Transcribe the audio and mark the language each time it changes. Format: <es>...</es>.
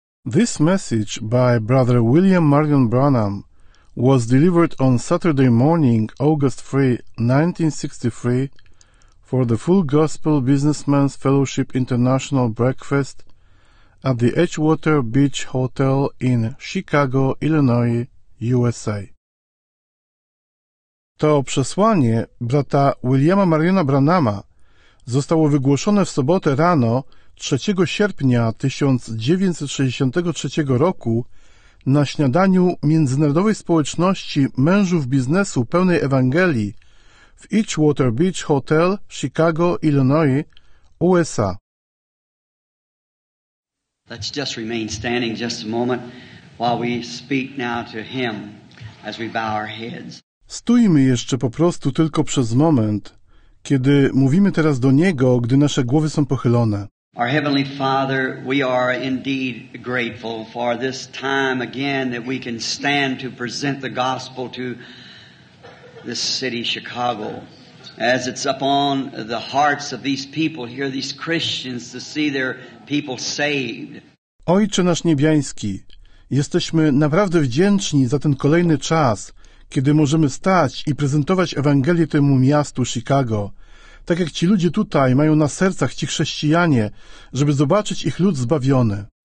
<en>This message by Brother William Marion Branham was delivered on Saturday morning, August 3, 1963, for the Full Gospel Businessmen's Fellowship International Breakfast at the Edgewater Beach Hotel in Chicago, Illinois, USA.</en> <pl>To przesłanie brata Williama Mariona Branhama zostało wygłoszone w sobotę rano 3 sierpnia 1963 roku na śniadaniu Międzynarodowej Społeczności Mężów Biznesu Pełnej Ewangelii w Edgewater Beach Hotel, Chicago, Illinois, USA.</pl> <en>Let's just remain standing just a moment while we speak now to him as we bow our heads.</en> <pl>Stójmy jeszcze po prostu tylko przez moment, kiedy mówimy teraz do Niego, gdy nasze głowy są pochylone.</pl> <en>Our Heavenly Father, we are indeed grateful for this time again that we can stand to present the gospel to this city, Chicago. As it's upon the hearts of these people here, these Christians, to see their people saved.</en> <pl>Ojcze nasz niebiański, jesteśmy naprawdę wdzięczni za ten kolejny czas, kiedy możemy stać i prezentować Ewangelię temu miastu, Chicago. Tak jak ci ludzie tutaj mają na sercach, ci chrześcijanie, żeby zobaczyć ich lud zbawiony.</pl>